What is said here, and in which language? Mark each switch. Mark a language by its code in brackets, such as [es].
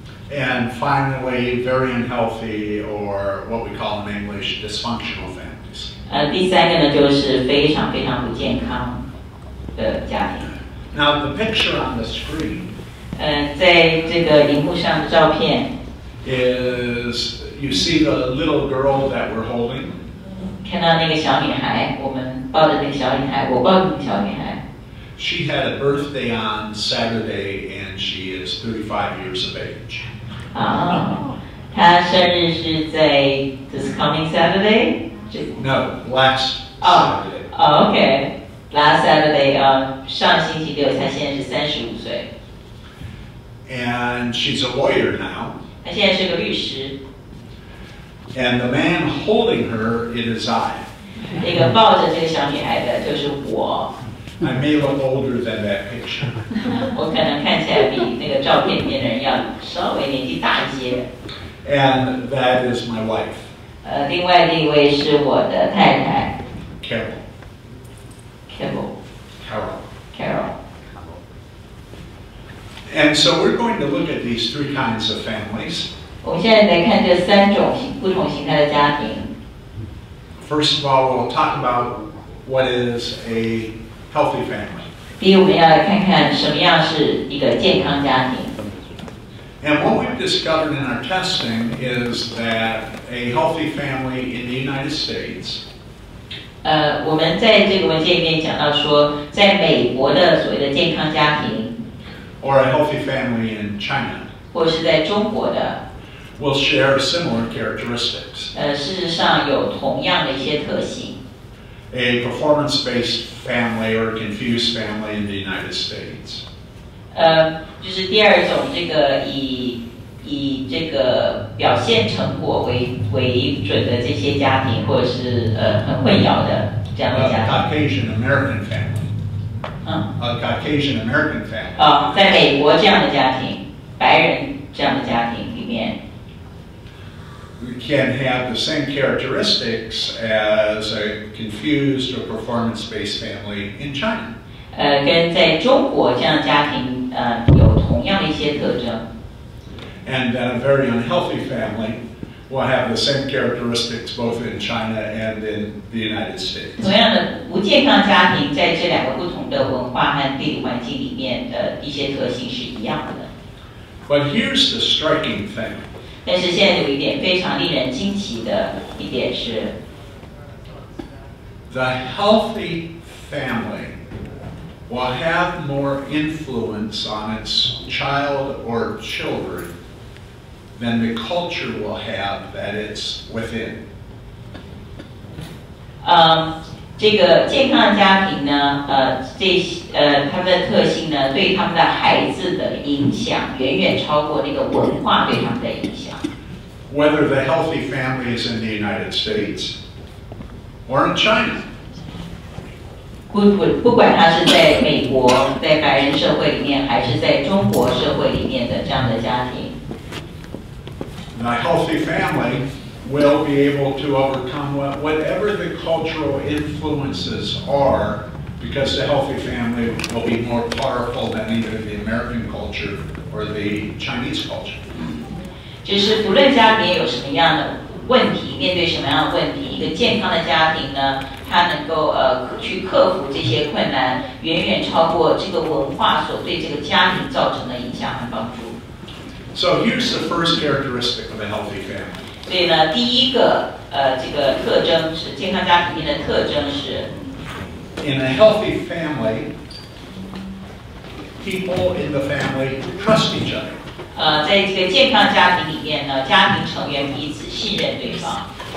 [en] And finally, very unhealthy or what we call in English dysfunctional families. [zh] 第三个呢，就是非常非常不健康的家庭。 [en] Now the picture on the screen. [zh] 在这个荧幕上的照片。 [en] Is you see the little girl that we're holding? [zh] 看到那个小女孩，我们抱着那个小女孩，我抱着那个小女孩。 [en] She had a birthday on Saturday, and she is 35 years of age. [zh] 她生日是在 [en] this coming Saturday? No, last Saturday. Oh, okay. Last Saturday, [zh] 上星期六，她现在是35岁。 [en] And she's a lawyer now. [zh] 她现在是个律师。 [en] And the man holding her, it is I. [zh] 那个抱着这个小女孩的就是我。 [en] I may look older than that picture. [zh] 我可能看起来比那个照片里面的人要稍微年纪大一些。 [en] And that is my wife. [zh] 另外一位是我的太太。 [en] Carol. Carol. Carol. Carol. And so we're going to look at these three kinds of families. [zh] 我们现在来看这三种不同形态的家庭。 [en] First of all, we'll talk about what is a healthy family. [zh] 第一，我们要来看看什么样是一个健康家庭。 [en] And what we've discovered in our testing is that a healthy family in the United States. [zh] 我们在这个文件里面讲到说，在美国的所谓的健康家庭。 [en] Or a healthy family in China. [zh] 或是在中国的。 [en] Will share similar characteristics. [zh] 事实上有同样的一些特性。 [en] A performance-based family or a confused family in the United States. [zh] 就是第二种，这个以这个表现成果为准的这些家庭，或者是很混淆的这样的家庭。 [en] Caucasian American family. 嗯。 A Caucasian American family. [zh] 在美国这样的家庭，白人这样的家庭里面。 [en] Can have the same characteristics as a confused or performance-based family in China. [zh] 跟在中国这样的家庭，有同样的一些特征。 [en] And a very unhealthy family will have the same characteristics both in China and in the United States. [zh] 同样的不健康家庭，在这两个不同的文化和地理环境里面的一些特性是一样的。 [en] But here's the striking thing. [zh] 但是现在有一点非常令人惊奇的一点是 [en] The healthy family will have more influence on its child or children than the culture will have that it's within. [zh] 这个健康家庭呢，他们的特性呢，对他们的孩子的影响远远超过那个文化对他们的影响。 [en] Whether the healthy family is in the United States or in China. [zh] 不管他是在美国，在白人社会里面，还是在中国社会里面的这样的家庭。 [en] The healthy family will be able to overcome whatever the cultural influences are because the healthy family will be more powerful than either the American culture or the Chinese culture. [zh] 就是不论家庭有什么样的问题，面对什么样的问题，一个健康的家庭呢，它能够去克服这些困难，远远超过这个文化所对这个家庭造成的影响和帮助。 [en] So here's the first characteristic of a healthy family. [zh] 所以呢，第一个这个特征是健康家庭里面的特征是 [en] ，In a healthy family, people in the family trust each other. [zh] 在这个健康家庭里面呢，家庭成员彼此信任对方。